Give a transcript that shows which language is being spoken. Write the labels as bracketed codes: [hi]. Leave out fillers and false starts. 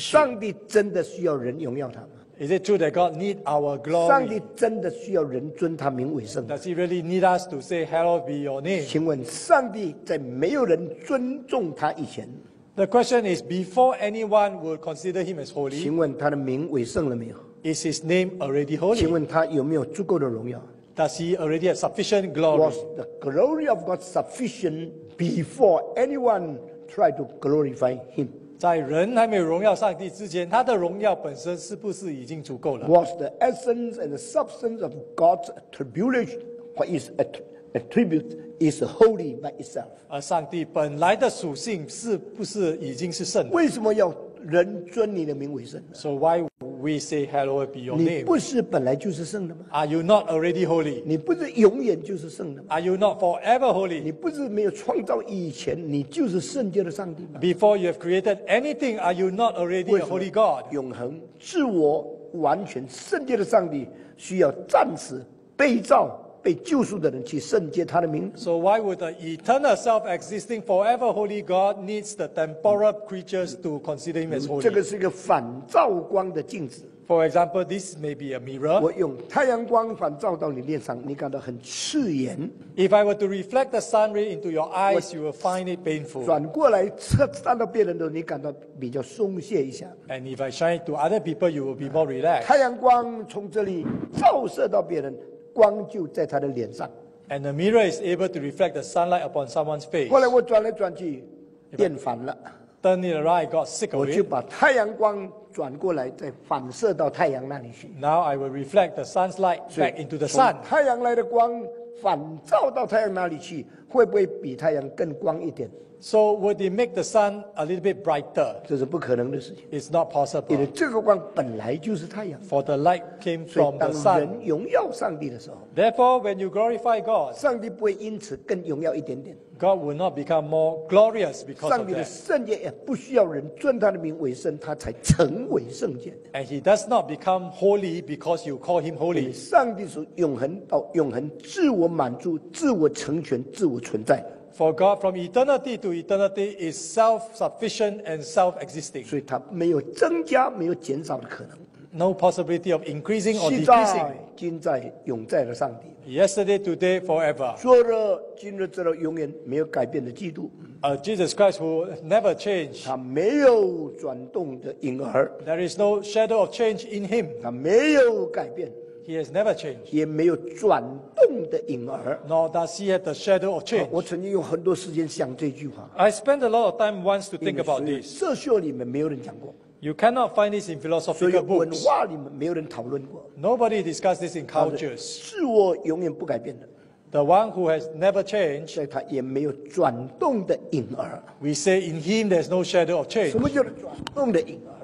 [zh] 上帝真的需要人荣耀他吗？ [en] Is it true that God need our glory? [zh] 上帝真的需要人尊他名为圣？ [en] Does he really need us to say hallowed be your name? [zh] 请问上帝在没有人尊重他以前， [en] The question is before anyone would consider him as holy, [zh] 请问他的名为圣了没有？ [en] Is his name already holy? [zh] 请问他有没有足够的荣耀？ [en] Does he already have sufficient glory? Was the glory of God sufficient before anyone try to glorify him? [zh] 在人还没有荣耀上帝之前，他的荣耀本身是不是已经足够了？ [en] Was the essence and the substance of God's attribution, what is attribute, is holy by itself? [zh] 而上帝本来的属性是不是已经是圣的？为什么要人尊你的名为圣？ [en] So why we say hallowed be your name? [zh] 你不是本来就是圣的吗？ [en] Are you not already holy? [zh] 你不是永远就是圣的吗？ [en] Are you not forever holy? [zh] 你不是没有创造以前你就是圣洁的上帝吗？ [en] Before you have created anything, are you not already a holy God? [zh] 永恒自我完全圣洁的上帝需要暂时被造被救赎的人去圣洁他的名。 [en] So why would the eternal self-existing forever holy God needs the temporal creatures to consider him as holy? [zh] 这个是一个反照光的镜子。 [en] For example, this may be a mirror. [zh] 我用太阳光反照到你脸上，你感到很刺眼。 [en] If I were to reflect the sun ray into your eyes, you will find it painful. [zh] 转过来看到别人的，你感到比较松懈一下。 [en] And if I shine to other people, you will be more relaxed. [zh] 太阳光从这里照射到别人，光就在他的脸上。 [en] And the mirror is able to reflect the sunlight upon someone's face. [zh] 后来我转来转去变烦了， [en] Turn it around, I got sick of it. [zh] 我就把太阳光转过来再反射到太阳那里去。 [en] Now I will reflect the sun's light back into the sun. [zh] 太阳来的光反照到太阳那里去，会不会比太阳更光一点？ [en] So would it make the sun a little bit brighter? [zh] 这是不可能的事情。 [en] It's not possible. [zh] 因为这个光本来就是太阳。 [en] For the light came from the sun. [zh] 所以当人荣耀上帝的时候 [en] ，Therefore, when you glorify God, [zh] 上帝不会因此更荣耀一点点。 [en] God will not become more glorious because of that. [zh] 上帝的圣洁也不需要人尊他的名为圣，他才成为圣洁。 [en] And he does not become holy because you call him holy. [zh] 上帝是永恒到永恒，自我满足、自我成全、自我存在。 [en] For God, from eternity to eternity, is self-sufficient and self-existing. [zh] 所以他没有增加、没有减少的可能。 [en] No possibility of increasing or decreasing. [zh] 今在、永在的上帝。 [en] Yesterday, today, forever. [zh] 昨日、今日、直到永远，没有改变的基督。 [en] Jesus Christ who never changed. [zh] 他没有转动的影儿。 [en] There is no shadow of change in him. [zh] 他没有改变。 [en] He has never changed. [zh] 也没有转动的影儿。 [en] Nor does he have the shadow of change. [zh] 我曾经有很多时间想这句话。 [en] I spent a lot of time once to think about this. [zh] 哲学里面没有人讲过。 [en] You cannot find this in philosophical books. [zh] 所以文化里面没有人讨论过。 [en] Nobody discussed this in cultures. [zh] 是我永远不改变的。 [en] The one who has never changed. [zh] 所以他也没有转动的影儿。 [en] We say in him there's no shadow of change. [zh] 什么叫做转动的影儿？